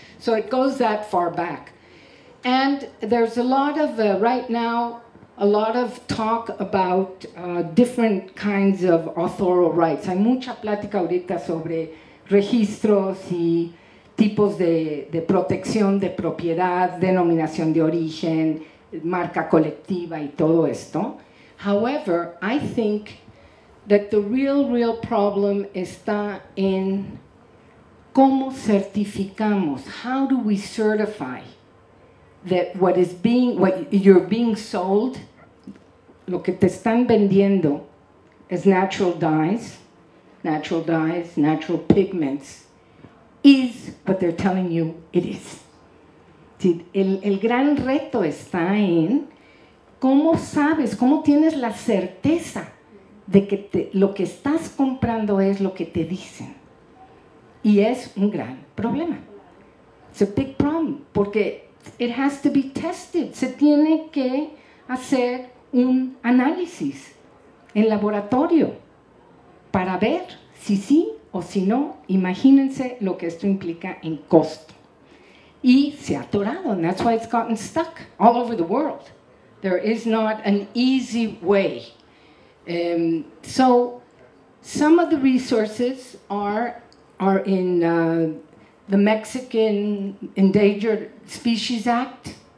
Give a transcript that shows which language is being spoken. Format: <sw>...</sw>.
<en>So, it goes that far back. And there's a lot of, right now, a lot of talk about different kinds of authorial rights.</en> <es>Hay mucha plática ahorita sobre registros y tipos de protección de propiedad, denominación de origen, marca colectiva y todo esto.</es> <en>However, I think that the real problem</en> <es>está en cómo certificamos,</es> <en>how do we certify that what is being, what you're being sold,</en> <es>lo que te están vendiendo es</es> <en>natural dyes, natural pigments, is what they're telling you it is.</en> <es>Sí, el gran reto está en cómo sabes, cómo tienes la certeza de que lo que estás comprando es lo que te dicen. Y es un gran problema.</es> <en>It's a big problem, porque it has to be tested.</en> <es>Se tiene que hacer un análisis en laboratorio para ver si sí o si no. Imagínense lo que esto implica en costo. Y se ha atorado,</es> <en>and that's why it's gotten stuck all over the world. There is not an easy way. So some of the resources are in the Mexican Endangered Species Act.</en>